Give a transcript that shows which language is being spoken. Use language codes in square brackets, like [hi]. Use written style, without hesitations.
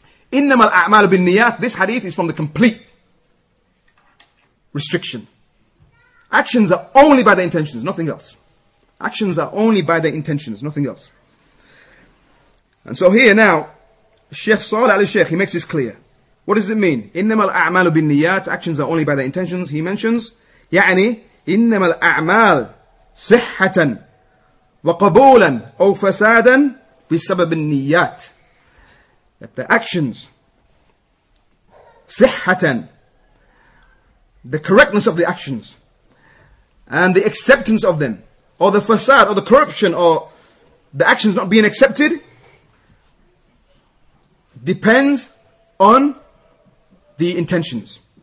[ar] Innamal a'malu bin niyat. [en] This hadith is from the complete restriction. Actions are only by the intentions, nothing else. Actions are only by their intentions, nothing else. And so here now, Sheikh Saleh al-Sheikh, he makes this clear. What does it mean? [ar] Innamal a'malu bin niyat. [en] Actions are only by their intentions. He mentions, [ar] يعني إنما الأعمال صحة وقبولا أو فسادا بسبب النيات. [en] That the actions, صحة, the correctness of the actions, and the acceptance of them, or the facade, or the corruption, or the actions not being accepted, depends on the intentions.